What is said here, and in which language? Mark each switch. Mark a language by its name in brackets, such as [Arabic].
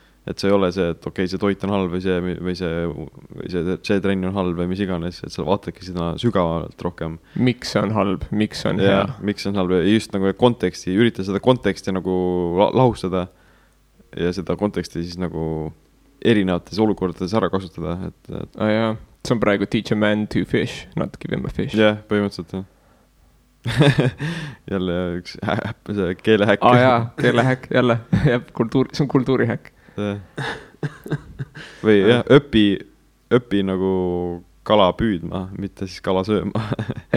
[Estonian] et see ei ole see , et okei , see toit on halb või see trenn on halb või mis iganes , et sa vaatadki seda sügavamalt rohkem . miks see on halb , miks see on hea ? miks see on halb ja just nagu konteksti , ürita seda konteksti nagu lahustada . ja seda konteksti siis nagu erinevates olukordades ära kasutada , et . aa jaa , see on praegu [English] teach a man to fish , not give him a fish . [Estonian] jah , põhimõtteliselt jah . jälle üks häpp , see keele häkk . aa jaa , keele häkk , jälle , jah , kultuur , see on kultuuri häkk . Või jah , õpi nagu kala püüdma , mitte siis kala sööma .